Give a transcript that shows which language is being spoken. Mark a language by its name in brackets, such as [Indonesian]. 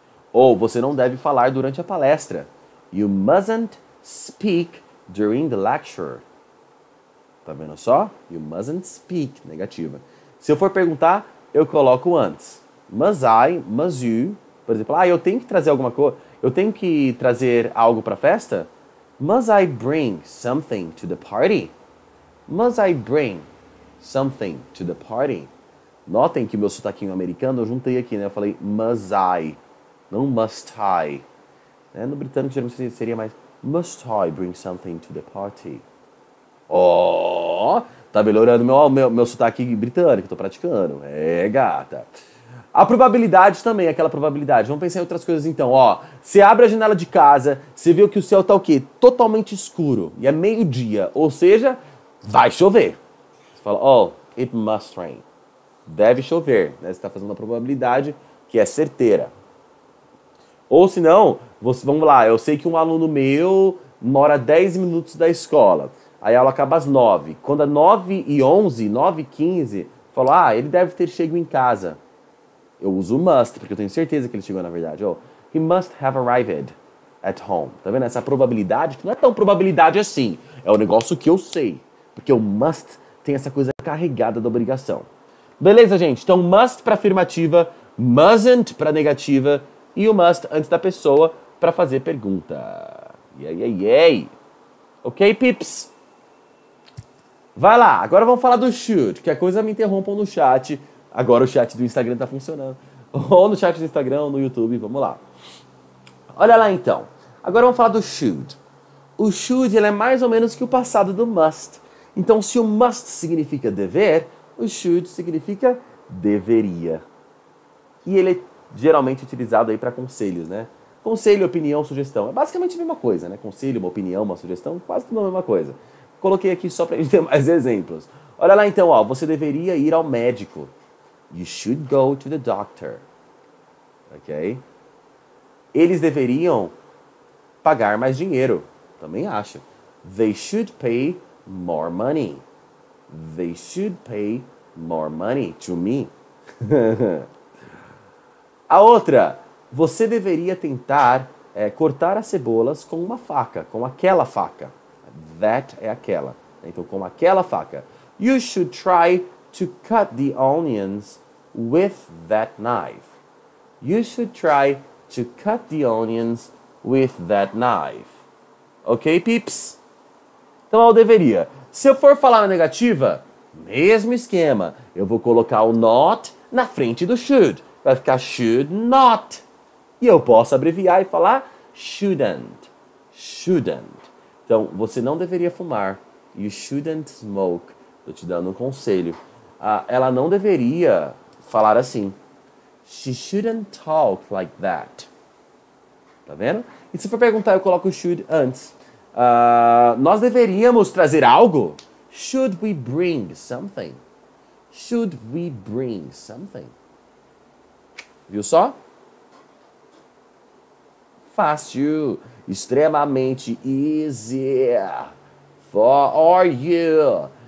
[Portuguese] Ou você não deve falar durante a palestra. [English] You mustn't speak during the lecture. [Portuguese] Tá vendo só? [English] You mustn't speak, [Portuguese] negativa. Se eu for perguntar, eu coloco antes. [English] Must I, must you. [Portuguese] Por exemplo, ah, eu tenho que trazer alguma coisa. Eu tenho que trazer algo pra festa? [English] Must I bring something to the party? Must I bring something to the party? [Portuguese] Notem que meu sotaquinho americano eu juntei aqui, né? Eu falei must I, não must I. Né? No britânico geralmente seria mais [English] must I bring something to the party? [Portuguese] Oh, tá melhorando meu sotaque britânico, tô praticando. É, gata. A probabilidade também, aquela probabilidade. Vamos pensar em outras coisas então, ó. Você abre a janela de casa, você vê que o céu tá o quê? Totalmente escuro. E é meio-dia, ou seja, vai chover. Você fala, oh, [English] it must rain. [Portuguese] Deve chover, né? Você tá fazendo uma probabilidade que é certeira. Ou se não, vamos lá, eu sei que um aluno meu mora 10 minutos da escola. Aí a aula acaba às 9. Quando é 9:11, 9:15, eu falo, ah, ele deve ter chegado em casa. Eu uso must, porque eu tenho certeza que ele chegou, na verdade. [English] Oh, he must have arrived at home. [Portuguese] Tá vendo? Essa probabilidade, que não é tão probabilidade assim. É um negócio que eu sei. Porque o must tem essa coisa carregada da obrigação. Beleza, gente? Então, must pra afirmativa, mustn't pra negativa, e o must antes da pessoa pra fazer pergunta. [English] Yay, yay, yay. Ok, peeps? [Portuguese] Vai lá, agora vamos falar do should, que a coisa me interrompam no chat. Agora o chat do Instagram tá funcionando. Ou no chat do Instagram, ou no YouTube, vamos lá. Olha lá então. Agora vamos falar do should. O should, ele é mais ou menos que o passado do must. Então, se o must significa dever, o should significa deveria. E ele é geralmente utilizado aí para conselhos, né? Conselho, opinião, sugestão. É basicamente a mesma coisa, né? Conselho, uma opinião, uma sugestão, quase tudo a mesma coisa. Coloquei aqui só pra gente ter mais exemplos. Olha lá então, ó. Você deveria ir ao médico. [English] You should go to the doctor. Ok? [Portuguese] Eles deveriam pagar mais dinheiro. Também acho. [English] They should pay more money. They should pay more money to me. [Portuguese] A outra. Você deveria tentar cortar as cebolas com uma faca. Com aquela faca. That é aquela. Então, com aquela faca. [English] You should try to cut the onions with that knife. You should try to cut the onions with that knife. Ok, peeps? [Portuguese] Então, eu deveria. Se eu for falar na negativa, mesmo esquema. Eu vou colocar o not na frente do should. Vai ficar should not. E eu posso abreviar e falar shouldn't. Shouldn't. Então, você não deveria fumar. [English] You shouldn't smoke. [Portuguese] Estou te dando um conselho. Ela não deveria falar assim. [English] She shouldn't talk like that. [Portuguese] Tá vendo? E se for perguntar, eu coloco should antes. Nós deveríamos trazer algo? [English] Should we bring something? Should we bring something? [Portuguese] Viu só? Fácil. Extremamente easy. [English] For you.